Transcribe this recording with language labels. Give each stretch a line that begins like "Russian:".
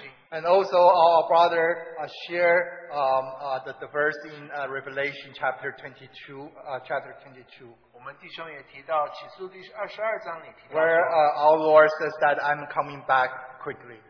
English: and also our brother shared the verse in Revelation chapter 22, chapter 22.
Chinese: 我们弟兄也提到, 起诉第22章里提到说,
English: where our Lord says that I'm coming back quickly.